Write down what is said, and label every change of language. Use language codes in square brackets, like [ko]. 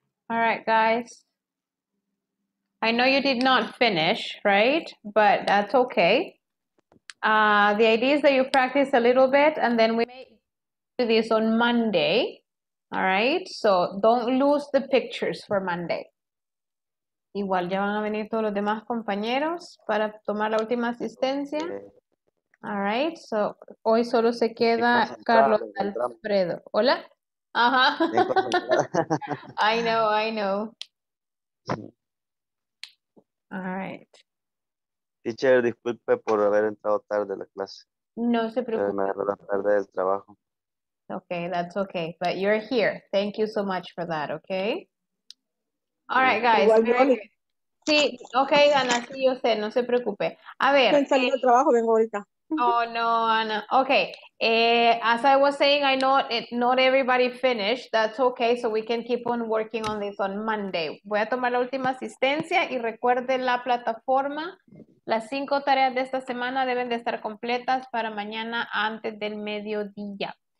[en] All right, guys, I know you did not finish, right? But that's okay. The idea is that you practice a little bit and then we may do this on Monday, all right? So don't lose the pictures for Monday. [es] Igual ya van a venir todos los demás compañeros para tomar la última asistencia. [en] All right, so [es] hoy solo se queda Carlos Alfredo. Hola. Uh-huh. [en] I know. All right. [es] Teacher, disculpe por haber entrado tarde a la clase. No se preocupe. Me agarró la tarde del trabajo. [en] Okay, that's okay. But you're here. Thank you so much for that, okay? All right, guys. [es] Sí, okay, Ana, sí, yo sé, no se preocupe. A ver. Estoy saliendo del trabajo, vengo ahorita. [en] Oh no, Ana. Okay. As I was saying, I know it, not everybody finished. That's okay. So we can keep on working on this on Monday. [es] Voy a tomar la última asistencia y recuerden la plataforma. Las 5 tareas de esta semana deben de estar completas para mañana antes del mediodía.